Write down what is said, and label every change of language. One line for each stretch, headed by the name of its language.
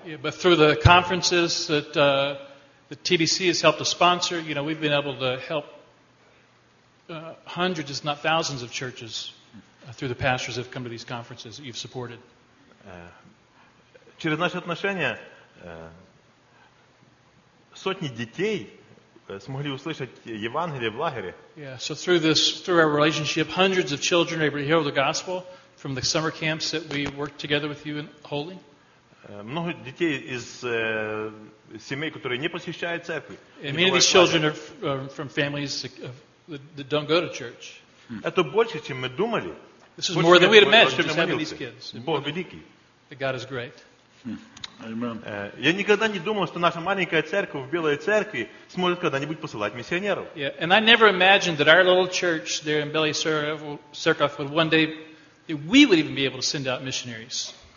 English: Yeah, but through the conferences that the TBC has helped to sponsor, you know, we've been able to help hundreds, if not thousands, of churches through the pastors that have come to these conferences that you've supported.
Russian: Через наши отношения сотни детей смогли услышать Евангелие в лагере.
English: Yeah, so through our relationship, hundreds of children are able to hear the gospel from the summer camps that we worked together with you in holding.
Russian: Много детей из семей, которые не посещают церкви.
English: And many of these children are from families that don't go to church.
Russian: Это больше, чем мы думали.
English: This is more than we had imagined, just having these kids.
Russian: Бог великий.
English: That God is great.
Russian: Я никогда не думал, что наша маленькая церковь в Белой Церкви сможет когда-нибудь посылать миссионеров.
English: And I never imagined that our little church there in Belly Serkov would one day that we would even be able to send out missionaries.